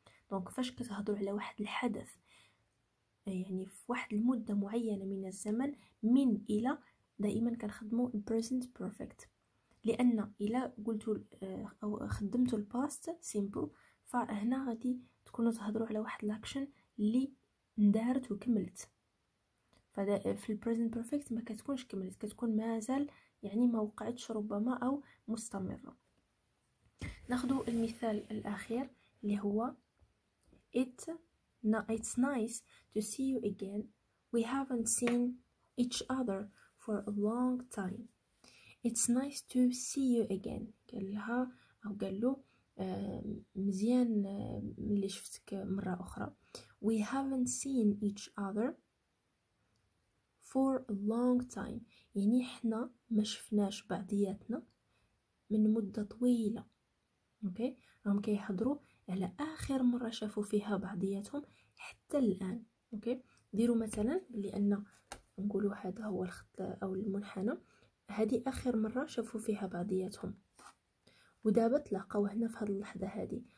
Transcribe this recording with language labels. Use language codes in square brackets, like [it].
[ar] دونك فاش كتهضروا على واحد الحدث يعني في واحد المده معينه من الزمن، من الى دائما كنخدموا البريزنت بيرفكت، لان الى قلتوا او خدمتوا الباست سيمبل، فهنا غادي تكونوا تهضروا على واحد الاكشن اللي دارت وكملت. في البريزنت بيرفكت ما كتكونش كملت، كتكون مازال يعني ما وقعتش ربما او مستمره. ناخذ المثال الاخير اللي هو [en] it's nice to see you again. We haven't seen each other for a long time. It's nice to see you again. [ar] قالها او قال له مزيان ملي شفتك مره اخرى. [en] We haven't seen each other for a long time. [ar] يعني احنا ما شفناش بعضياتنا من مدة طويلة. اوكي، راهم كيحضروا على اخر مرة شافوا فيها بعضياتهم حتى الان. اوكي، ديروا مثلا لان نقولوا هذا هو الخط او المنحنى، هذه اخر مرة شافوا فيها بعضياتهم، ودابا تلاقاو هنا في هذه اللحظة هذه.